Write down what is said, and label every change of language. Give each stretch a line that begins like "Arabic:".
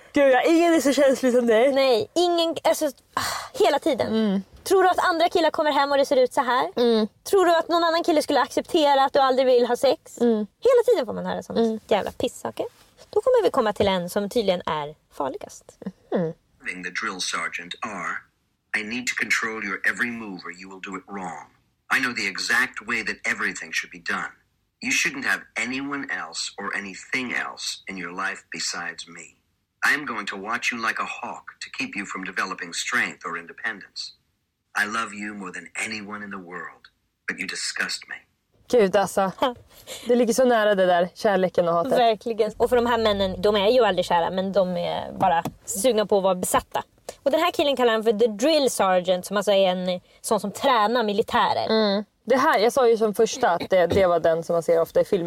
Swedish: Gud, ingen är så känslig som dig. Nej, ingen... Alltså, hela tiden. Mm. Tror du att andra killar kommer hem och det ser ut så här? Mm. Tror du att någon annan kille skulle acceptera att du aldrig vill ha sex? Mm. Hela tiden får man höra sådana jävla pissaker. Då kommer vi komma till en som tydligen är farligast. Mm.
English: The drill sergeant are, I need to control your every move or you will do it wrong. I know the exact way that everything should be done. You shouldn't have anyone else or anything else in your life besides me. I am going to watch you like a hawk to keep you from developing strength or independence. I love you more than anyone in the world, but you disgust me.
Swedish: Gud alltså, det ligger så nära det där, kärleken och hatet. Verkligen, och för de här männen, de är ju aldrig kära, men de är bara sugna på att vara besatta. Och den här killen kallar han för The Drill Sergeant, som alltså är en sån som tränar militärer. Mm. Det här, jag sa ju som första att det var den som man ser ofta i film.